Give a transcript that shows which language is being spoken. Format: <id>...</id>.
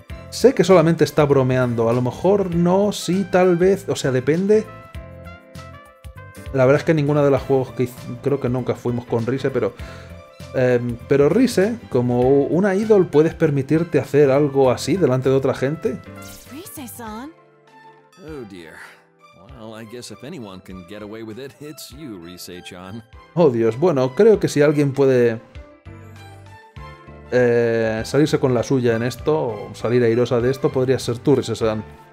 <es>Sé que solamente está bromeando, a lo mejor no, sí, tal vez, o sea, depende. La verdad es que ninguna de las juegos que creo que nunca fuimos con Rise, pero... pero Rise, como una idol, ¿puedes permitirte hacer algo así delante de otra gente? Rise-san.</es> <en>Oh, dear. I guess if anyone can get away with it, it's you, Rise-chan.</en> <es>Oh, Dios. Bueno, creo que si alguien puede salirse con la suya en esto, o salir airosa de esto, podría ser tú, Rise-chan.</es>